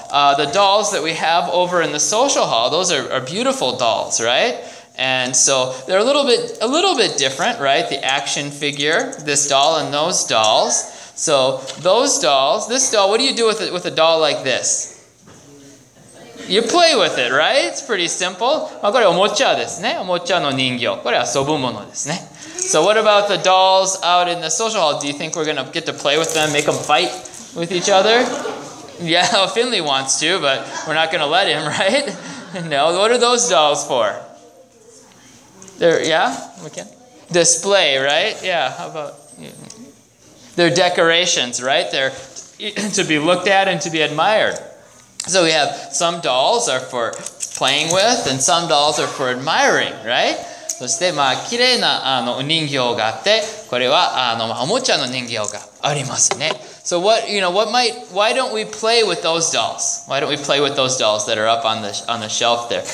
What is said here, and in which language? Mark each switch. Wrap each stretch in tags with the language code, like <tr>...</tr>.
<en>The dolls that we have over in the social hall, those are beautiful dolls, right? And so they're a little bit different, right? The action figure, this doll, and those dolls. So those dolls, this doll. What do you do with it with a doll like this? You play with it, right? It's pretty simple.</en> <ja>これはおもちゃですね。おもちゃの人形。これは遊ぶものですね。</ja> <en>So what about the dolls out in the social hall? Do you think we're going to get to play with them, make them fight with each other? Yeah, Finley wants to, but we're not going to let him, right? No, what are those dolls for? They're, yeah? Okay. Display, right? Yeah, how about... They're decorations, right? They're to be looked at and to be admired. So we have some dolls are for playing with, and some dolls are for admiring, right?</en> <ja>そして、まあ、綺麗なあの人形があって、これはあの、まあ、おもちゃの人形がありますね。</ja> <en>So what, you know, what might, why don't we play with those dolls? Why don't we play with those dolls that are up on the shelf there?</en>